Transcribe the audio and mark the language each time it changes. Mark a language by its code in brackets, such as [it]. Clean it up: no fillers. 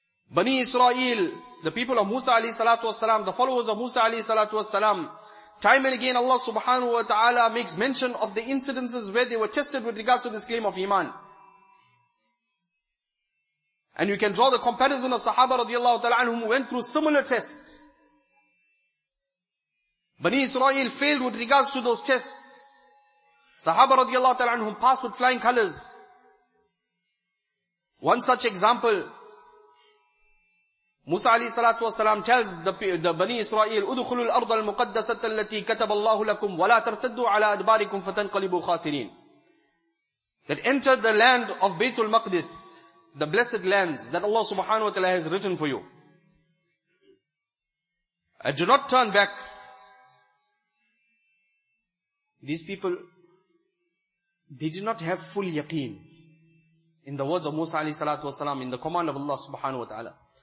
[en] Bani Israel, the people of Musa alayhi salatu wasalam, the followers of Musa alayhi salatu wasalam, time and again Allah subhanahu wa ta'ala makes mention of the incidences where they were tested with regards to this claim of iman. And you can draw the comparison of Sahaba radiallahu ta'ala anhum who went through similar tests. Bani Israel failed with regards to those tests. Sahaba radiallahu ta'ala anhum passed with flying colors. One such example, Musa alayhi salatu wasalam tells the Bani Israel, [ar] اُدْخُلُوا الْأَرْضَ الْمُقَدَّسَةَ الَّتِي كَتَبَ اللَّهُ لَكُمْ وَلَا تَرْتَدُّوا عَلَىٰ أَدْبَارِكُمْ فَتَنْقَلِبُوا خَاسِرِينَ. [en] That enter the land of Baytul Maqdis, the blessed lands that Allah subhanahu wa ta'ala has written for you. And do not turn back. These people, they did not have full yaqeen in the words of Musa alayhi salatu wasalam, in the command of Allah subhanahu wa ta'ala.